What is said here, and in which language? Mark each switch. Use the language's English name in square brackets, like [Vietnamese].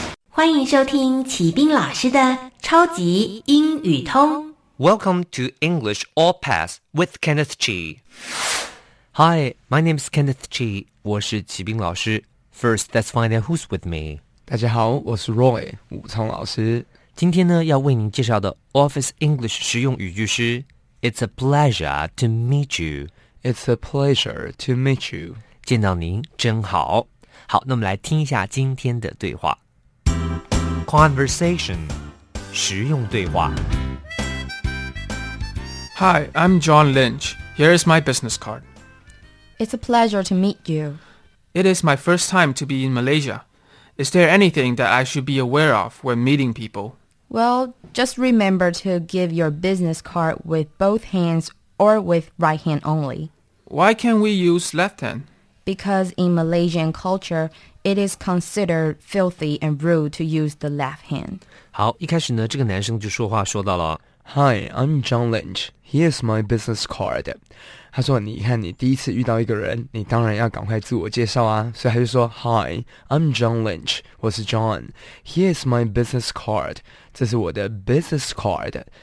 [Chinese] 欢迎收听启斌老师的超级英语通。 [English] Welcome to English All Pass with Kenneth Chi. Hi, my name is Kenneth Chi. [Chinese] 我是启斌老师。 [English] First, let's find out who's with me. [Chinese] 大家好，我是 Roy, 武聪老师。今天呢，要为您介绍的 Office English 实用语句是 [English] It's a pleasure to meet you. It's a pleasure to meet you. [Chinese] 见到您真好。好，那么来听一下今天的对话。 Conversation, 实用对话。 [English] Hi, I'm John Lynch. Here is my business card. It's a pleasure to meet you. It is my first time to be in Malaysia. Is there anything that I should be aware of when meeting people? Well, just remember to give your business card with both hands or with right hand only. Why can't we use left hand? Because in Malaysian culture, it is considered filthy and rude to use the left hand. [Chinese] 好，一开始呢，这个男生就说话说到了。 [English] Hi, I'm John Lynch. Here's my business card. [Chinese] 他说，你看你第一次遇到一个人，你当然要赶快自我介绍啊。所以他就说 , [English] Hi, I'm John Lynch. [Chinese] 我是 John. [English] Here's my business card. [Chinese] 这是我的 [English] business card.